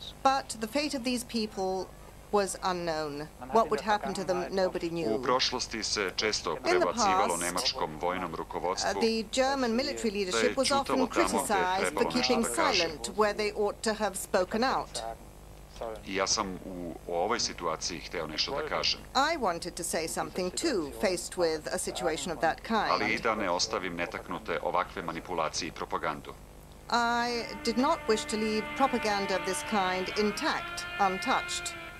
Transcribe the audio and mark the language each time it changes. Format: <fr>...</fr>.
<en>But the fate of these people was unknown. What would happen to them, nobody knew.</en> <sr>U prošlosti se često prebacivalo nemačkom vojnom rukovodstvu.</sr> <en>The German military leadership was often criticized for keeping silent where they ought to have spoken out.</en> <sr>Ja sam u ovoj situaciji hteo nešto da kažem.</sr> <en>I wanted to say something too, faced with a situation of that kind.</en> <sr>Ali da ne ostavim netaknute ovakve manipulacije i propagandu.</sr> <en>I did not wish to leave propaganda of this kind intact, untouched.</en>